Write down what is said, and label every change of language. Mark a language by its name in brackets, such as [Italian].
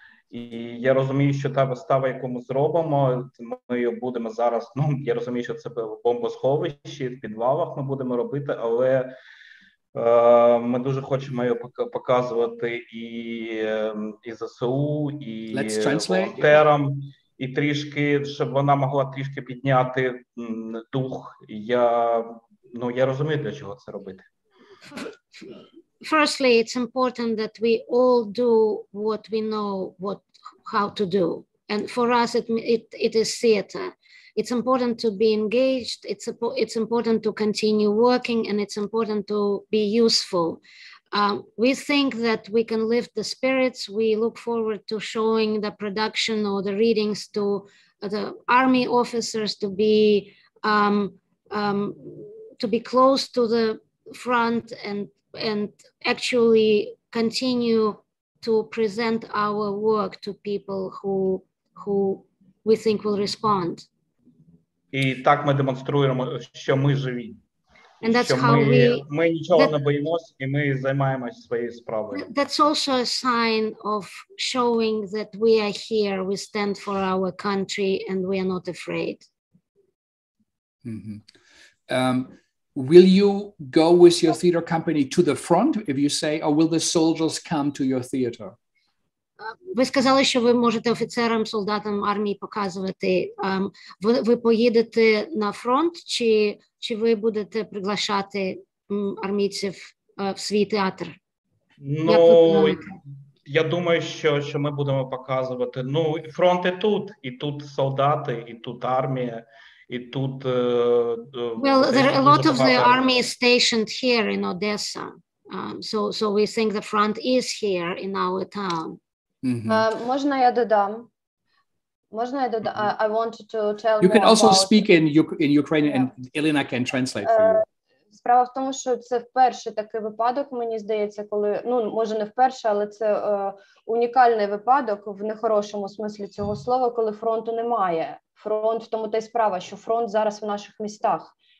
[Ukrainian] І я розумію, що та вистава, яку ми зробимо, ми її будемо зараз, ну, я розумію, що це в бомбосховищі, в підвалах ми будемо робити, але ми дуже хочемо її показувати і ЗСУ, і волонтерам. І трішки, щоб вона могла трішки підняти дух. Я розумію, для чого це робити. [English] Firstly, it's important that we all do what we know how to do. And for us it is theater. It's important to be engaged, it's important to continue working, and it's important to be useful. We think that we can lift the spirits. We look forward to showing the production or the readings to the army officers to be close to the front and actually continue to present our work to people who we think will respond. [Ukrainian] І так ми демонструємо, що ми живі. [English] And that's how [Ukrainian] ми нічого не боїмося, і ми займаємось своєю справою. [English] That's also a sign of showing that we are here, we stand for our country, and we are not afraid. Will you go with your theater company to the front, if you say, or will the soldiers come to your theater? [Ukrainian] Ви сказали, що ви можете офіцерам, солдатам армії показувати. Ви поїдете на фронт, чи ви будете приглашати армійців в свій театр? Ну, я думаю, що ми будемо показувати. Ну, фронт тут, і тут солдати, і тут армія, і тут... [English] Well, there are a lot of the army stationed here in Odessa. So we think the front is here in our town. [Ukrainian] Можна я додам? Можна я додам? [English] I wanted to tell you. You can also speak in Ukrainian, and Elena can translate for you. [Ukrainian] Справа в тому, що це вперше такий випадок, мені здається, коли, ну, може не вперше, але це унікальний випадок в нехорошому смислі цього слова, коли фронту немає. Фронт, в тому та й справа, що фронт зараз в наших містах.